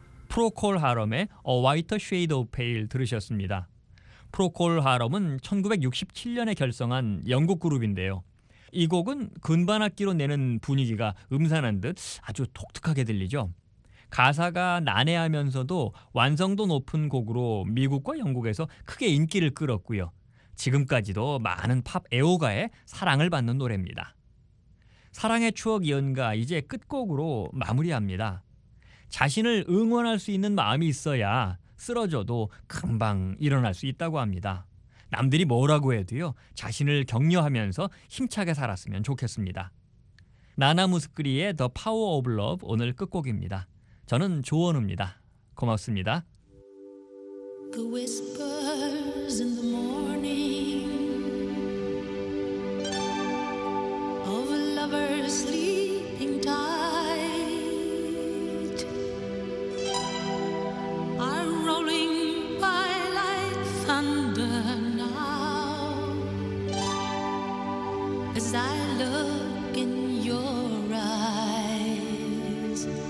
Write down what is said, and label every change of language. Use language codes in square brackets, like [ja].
[ko] 프로콜 하름의 A Whiter Shade of Pale 들으셨습니다. 프로콜 하름은 1967년에 결성한 영국 그룹인데요. 이 곡은 근반악기로 내는 분위기가 음산한 듯 아주 독특하게 들리죠. 가사가 난해하면서도 완성도 높은 곡으로 미국과 영국에서 크게 인기를 끌었고요. 지금까지도 많은 팝 애호가에 사랑을 받는 노래입니다. 사랑의 추억 연가 이제 끝곡으로 마무리합니다. 자신을 응원할 수 있는 마음이 있어야 쓰러져도 금방 일어날 수 있다고 합니다. 남들이 뭐라고 해도요, 자신을 격려하면서 힘차게 살았으면 좋겠습니다. 나나 무스크리의 The Power of Love 오늘 끝곡입니다. 저는 조원우입니다. 고맙습니다. [en] The whispers in the morning of a lover sleeping tight are rolling by like thunder now as I look in your eyes.